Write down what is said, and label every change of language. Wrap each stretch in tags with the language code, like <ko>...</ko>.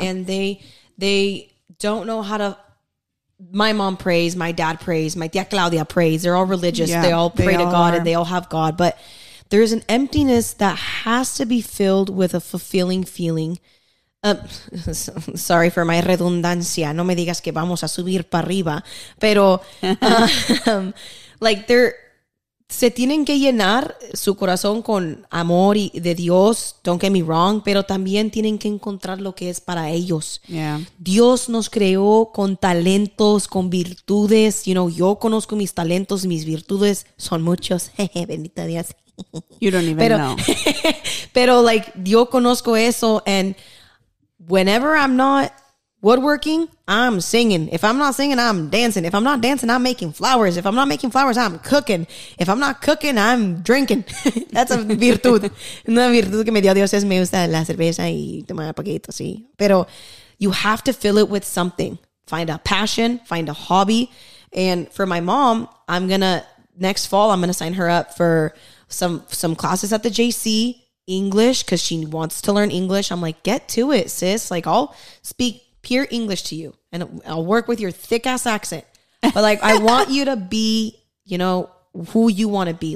<en>And they don't know how to. My mom prays, my dad prays, my tia Claudia prays. They're all religious. Yeah, they all pray to God and they all have God. But there is an emptiness that has to be filled with a fulfilling feeling. Sorry for my redundancia.</en> <es>No me digas que vamos a subir para arriba. Pero</es> <en>like they're</en> <es>se tienen que llenar su corazón con amor y de Dios,</es> <en>don't get me wrong,</en> <es>pero también tienen que encontrar lo que es para ellos.</es> <en>Yeah.</en> <es>Dios nos creó con talentos, con virtudes.</es> <en>You know,</en> <es>yo conozco mis talentos, mis virtudes son muchos. Bendito Dios.</es> <en>You don't even know. Pero like,</en> <es>yo conozco eso,</es> <en>and whenever I'm not woodworking, I'm singing. If I'm not singing, I'm dancing. If I'm not dancing, I'm making flowers. If I'm not making flowers, I'm cooking. If I'm not cooking, I'm drinking. That's a virtud.</en> <es>Una virtud que me dio Dios es me gusta la cerveza y tomar paquetos, sí.</es> <en>Pero you have to fill it with something. Find a passion, find a hobby. And for my mom, next fall, I'm going to sign her up for some classes at the JC. English, because she wants to learn English. I'm like, get to it, sis. Like, I'll speak pure English to you and I'll work with your thick ass accent, but like I want you to be, you know, who you want to be.</en>